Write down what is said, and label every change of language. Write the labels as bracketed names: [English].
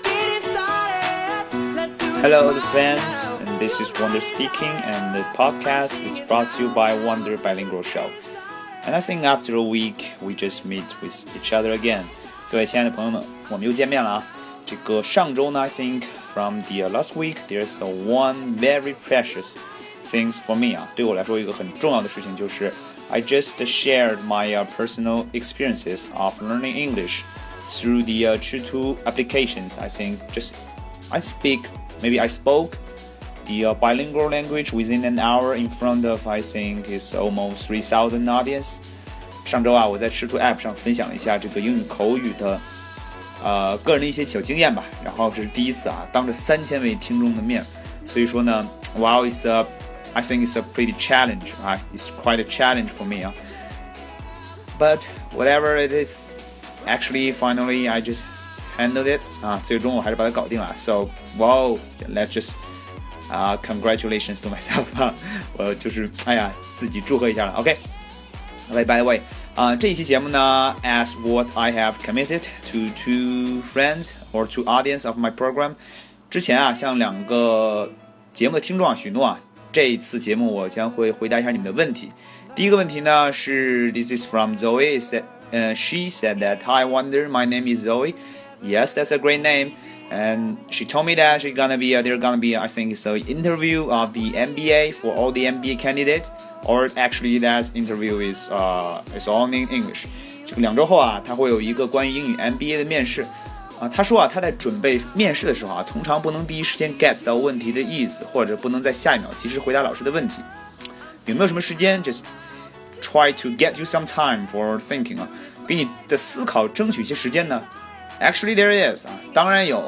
[English] Hello, the fans, and this is Wonder speaking, and the podcast is brought to you by Wonder Bilingual Show. And I think after a week, we just meet with each other again. [Chinese] 各位亲爱的朋友们，我们又见面了。这个上周呢 [English] I think from the last week, there's one very precious thing for me. [Chinese] 对我来说一个很重要的事情就是 [English] I just shared my personal experiences of learning English through the Chutu applications. I spoke the bilingual language within an hour in front of, I think, is almost 3,000 audience. [Chinese] 上周啊，我在 Chutu app 上分享了一下这个英语口语的个人的一些小经验吧，然后这是第一次啊，当着3000位听众的面，所以说呢 ， [English] Wow, it's quite a challenge for me. But whatever it is, actually, finally, I just handled it. [Chinese] 最终我还是把它搞定了。 [English] So, wow, let's just congratulations to myself. [Chinese] 我就是哎呀，自己祝贺一下了。 [English] OK, by the way. [Chinese] 这一期节目呢 [English] as what I have committed to two friends or to audience of my program [Chinese] 之前啊向两个节目的听众啊许诺啊这一次节目我将会回答一下你们的问题第一个问题呢是 [English] This is from Zoe She said that Hi Wonder, my name is Zoe Yes, that's a great name And she told me that there's gonna be an interview of the MBA for all the MBA candidates Or actually, that interview is all in English. [Chinese] 这个两周后啊，他会有一个关于英语 MBA 的面试。他说啊，他在准备面试的时候啊，通常不能第一时间 get 到问题的意思，或者不能在下一秒及时回答老师的问题。有没有什么时间 ？ [English] Just try to get you some time for thinking [Chinese] 啊，给你的思考争取一些时间呢 ？ [English] Actually, there is [Chinese] 啊，当然有。